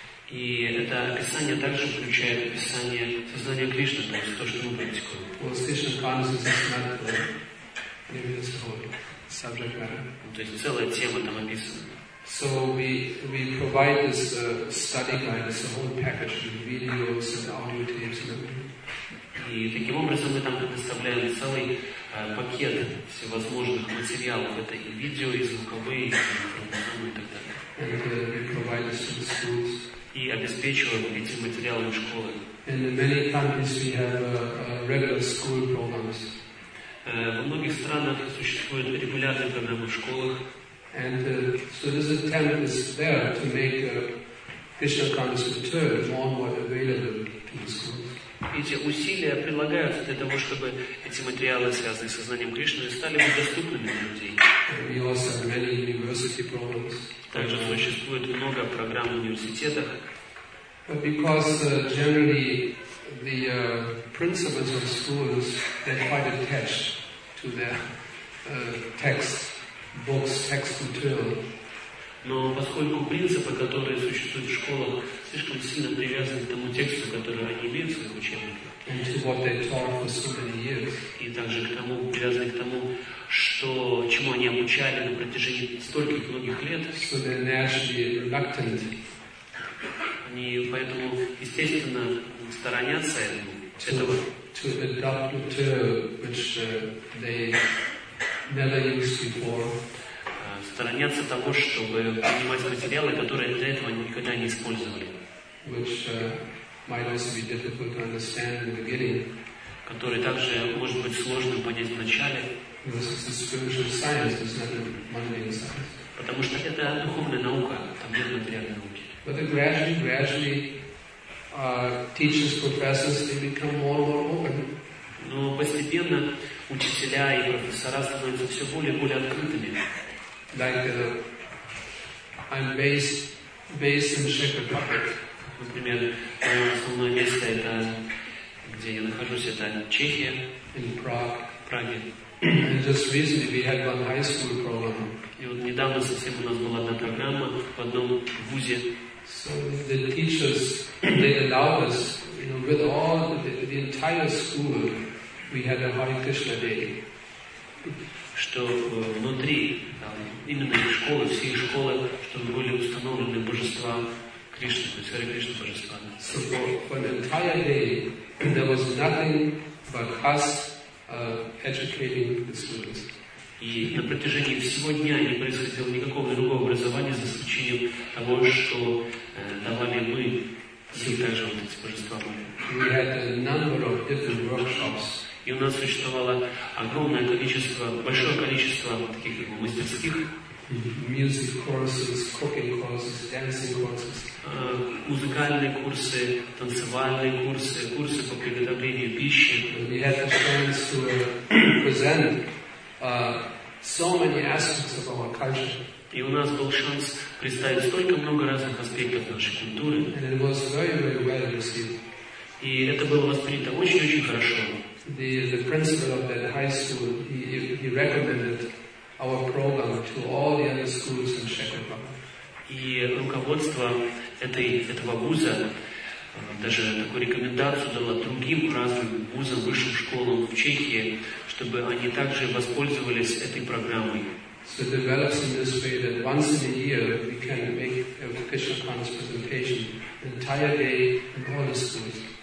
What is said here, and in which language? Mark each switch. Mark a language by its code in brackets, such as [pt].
[ru] И это описание также включает описание сознания Кришны, то есть то, что мы практикуем. То есть целая тема там описана. [en] So we provide this study guide, this whole package with videos and audio tapes and everything. [ru] И таким образом мы там предоставляем целый пакет всевозможных материалов, это и видео, и звуковые, и так далее. [en] And we provide this to the schools. [ru] И обеспечиваем эти материалы школы. [en] In many countries we have regular school programs. [ru] Во многих странах существуют регулярные программы в школах. [en] And so this attempt is there to make Krishna consciousness tour more and more available to the schools. [ru] Эти усилия прилагаются для того, чтобы эти материалы, связанные с сознанием Кришны, стали бы доступными для людей. [en] We also have many university programs. [ru] Также существует много программ в университетах. [en] But because generally the principles of schools, they're quite attached to their texts. Books, text material. [ru] Но поскольку принципы, которые существуют в школах, слишком сильно привязаны к тому тексту, который они имеют в своих учебниках, и также к тому, привязаны к тому, что, чему они обучали на протяжении стольких многих лет, [en] so they're naturally reluctant. [ru] Они поэтому, естественно, сторонятся этого. [en] To adopt material, which they never used before. [ru] Сторонятся того, чтобы принимать материалы, которые для этого никогда не использовали. [en] Which might also be difficult to understand in the beginning. [ru] Который также может быть сложным понять в начале. [en] Because it's a spiritual science, it's not a mundane science. [ru] Потому что это духовная наука, там нет материальной науки. [en] But gradually teachers, professors, they become more and more open. [ru] Но постепенно учителя и профессора становятся все более и более открытыми. [en] Like I'm based in Czech Republic. [ru] Например, основное место это где я нахожусь, это Чехия. [en] In Prague. [ru] Праге. [en] And just recently we had one high school program. [ru] И вот недавно совсем у нас была одна программа в одном вузе. [en] So the teachers they allowed us, you know, with all the entire school. We had a Hare Krishna day. [ru] Что внутри именно из школы, всей школы, чтобы были установлены божества Кришны, то есть Харе Кришна божества. [en] So for the entire day there was nothing but us educating the students. [ru] И на протяжении всего дня не происходило никакого другого образования, за исключением того, что давали мы и также вот эти божества. [en] We had a number of different workshops. [ru] И у нас существовало огромное количество, большое количество таких как бы мастерских. [en] Music courses, cooking courses, dancing courses. [ru] Музыкальные курсы, танцевальные курсы, курсы по приготовлению пищи. [en] We had the chance to present so many aspects of our culture. [ru] И у нас был шанс представить столько много разных аспектов нашей культуры. [en] And it was very, very well received. [ru] И это было воспринято очень-очень хорошо. [en] The principal of that high school he recommended our program to all the other schools in Czech Republic. [ru] И руководство этого вуза даже такую рекомендацию дало другим разным вузам, высшим школам в Чехии, чтобы они также воспользовались этой программой. [en] So it develops in this way that once in a year we can make a Krishna conscious presentation the entire day in all the schools.